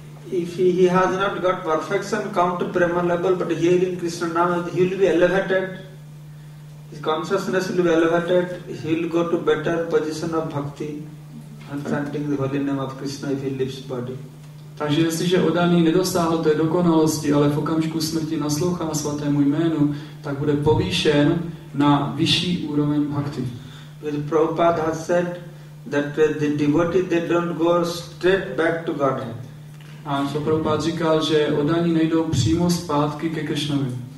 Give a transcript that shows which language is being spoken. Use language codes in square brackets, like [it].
[en] If he has not got perfection, come to prema level, but here in Krishna name, he will be elevated. His consciousness will be elevated. He will go to better position of bhakti and chanting the holy name of Krishna if he leaves body. [cs] Takže jestliže oddaný nedosáhl té dokonalosti, ale v okamžiku smrti naslouchá svatému jménu, tak bude povýšen na vyšší úroveň bhakti. [en] Because Prabhupada has said that the devotee, they don't go straight back to Godhead. [cs] A co Prabhupada říkal, že oddaní nejdou přímo zpátky ke Krishnovi.